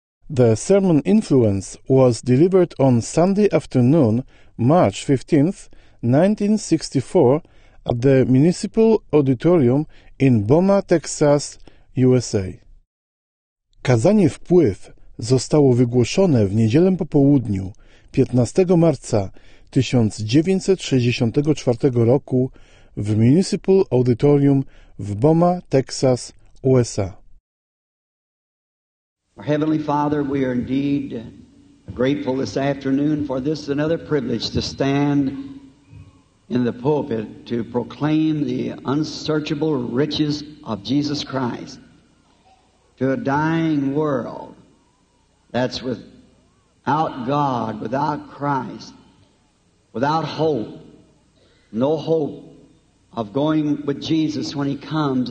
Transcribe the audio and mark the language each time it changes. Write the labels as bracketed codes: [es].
[en] The sermon Influence was delivered on Sunday afternoon, March 15, 1964, at the Municipal Auditorium in Boma, Texas, USA. [pl] Kazanie Wpływ zostało wygłoszone w niedzielę po południu, 15 marca 1964 roku w Municipal Auditorium w Boma, Texas, USA. [en] Our Heavenly Father, we are indeed grateful this afternoon, for this is another privilege to stand in the pulpit to proclaim the unsearchable riches of Jesus Christ to a dying world that's without God, without Christ, without hope, no hope of going with Jesus when He comes.